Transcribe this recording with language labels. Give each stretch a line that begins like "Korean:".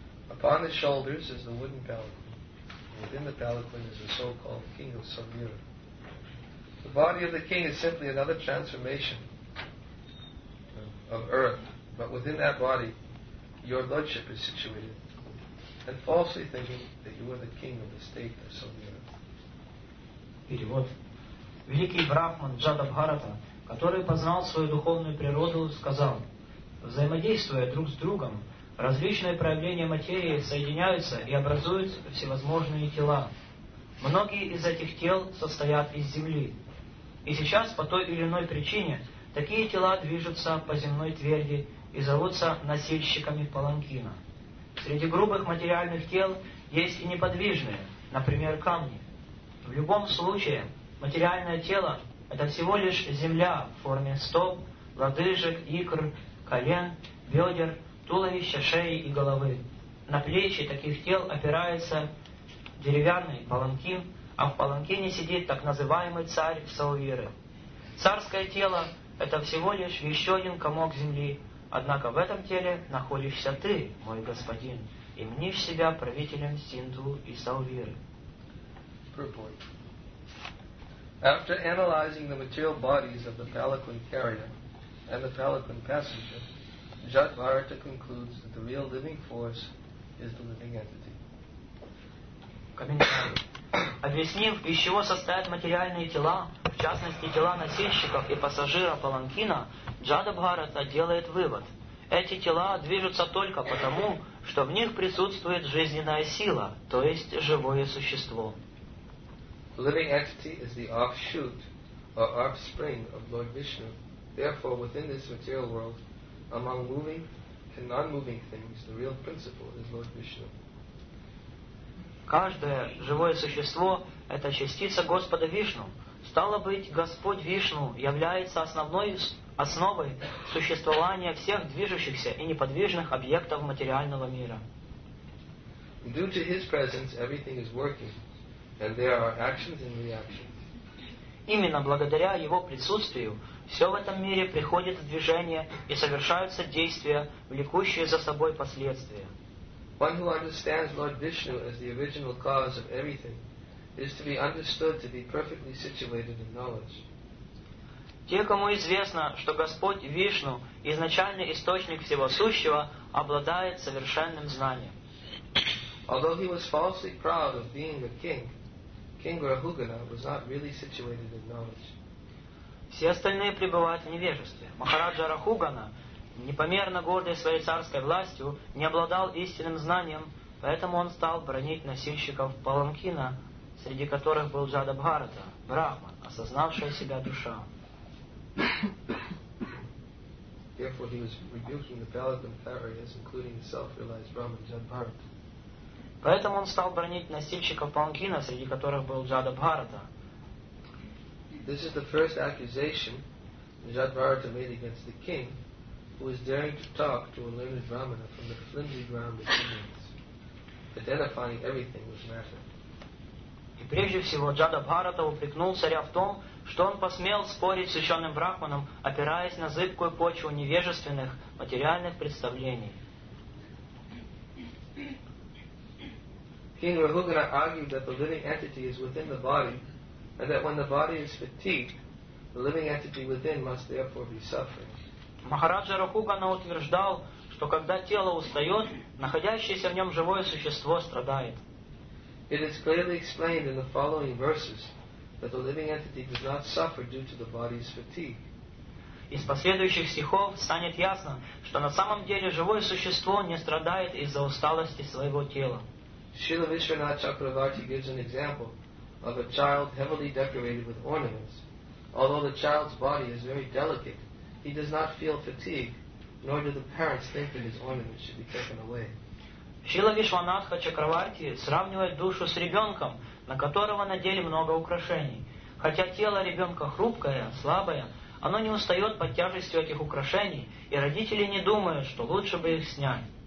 English: Upon the shoulders is the wooden palanquin. Within the palanquin is the so-called king of Sambhira. The body of the king is simply another transformation of earth, but within that body, your lordship is situated, and falsely thinking that you are the king of the state of Sambhira.
Russian: Перевод. Великий Брахман Джадабхарата, который познал свою духовную природу, сказал, взаимодействуя друг с другом, различные проявления материи соединяются и образуют всевозможные тела. Многие из этих тел состоят из земли. И сейчас, по той или иной причине, такие тела движутся по земной тверди и зовутся носильщиками паланкина. Среди грубых материальных тел есть и неподвижные, например, камни. В любом случае, материальное тело – это всего лишь земля в форме стоп, лодыжек, икр, колен, бедер, туловища, шеи и головы. На плечи таких тел опирается деревянный паланкин, а в паланкине сидит так называемый царь Саувиры. Царское тело – это всего лишь еще один комок земли, однако в этом теле находишься ты, мой господин, и мнишь себя правителем Синдху и Саувиры.
English: Report. After analyzing the material bodies of the palanquin carrier and the palanquin passenger, Jadvartha concludes that the real living force is the living entity.
Russian: Комментарий. Объяснив, из чего состоят материальные тела, в частности тела носильщиков и пассажира паланкина, Джадабхарата делает вывод. Эти тела движутся только потому, что в них присутствует жизненная сила, то есть живое существо.
English: Living entity is the offshoot or offspring of Lord Vishnu. Therefore, within this material world, among moving and non-moving things, the real principle is Lord Vishnu.
Russian: Каждое живое существо – это частица Господа Вишну. Стало быть, Господь Вишну является основой существования всех движущихся и неподвижных объектов материального мира.
English: Due to His presence, everything is working. And there are actions and reactions.
Russian: Именно благодаря его присутствию все в этом мире приходит в движение и совершаются действия, влекущие за собой последствия.
English: One who understands Lord Vishnu as the original cause of everything is to be understood to be perfectly situated in knowledge.
Russian: Те, кому известно, что Господь Вишну изначальный источник всего сущего, обладает совершенным знанием.
English: Although he was falsely proud of being a king, King Rahugana was not really situated in knowledge.
Russian: Все остальные пребывают в невежестве. Махараджа Рахугана, непомерно гордый своей царской властью, не обладал истинным знанием, поэтому он стал бронить носильщиков паланкина, среди которых был Джадабхарата, Брахман, осознавшая себя душа.
English: Therefore, he was rebuking the palanquin carriers, including the self-realized Brahman Jadbharata.
Russian: Поэтому он стал бронить носильщиков паланкина, среди которых был Джадабхарата.
English: This is the first accusation Jadbharata made against the king, who is daring to talk to a learned brahmana from the flimsy ground of ignorance, identifying everything with matter.
Russian: И прежде всего Джадабхарата упрекнул царя в том, что он посмел спорить с ученым брахманом, опираясь на зыбкую почву невежественных материальных представлений.
English: King Rahugana argued that the living entity is within the body, and that when the body is fatigued, the living entity within must therefore be suffering.
Russian: Махараджа Рахугана утверждал, что когда тело устает, находящееся в нем живое существо страдает.
English: It is clearly explained in the following verses that the living entity does not suffer due to the body's fatigue.
Russian: Из последующих стихов станет ясно, что на самом деле живое существо не страдает из-за усталости своего тела.
English: Srila Vishwanath Chakravarti gives an example of a child heavily decorated with ornaments. Although the child's body is very delicate he does not feel fatigue, nor do the parents think that his ornament should be taken away.
Russian: Шрила Вишванатха Чакраварти сравнивает душу с ребенком, на которого надели много украшений. Хотя тело ребенка хрупкое, слабое, оно не устает под тяжестью этих украшений, и родители не думают, что лучше бы их снять.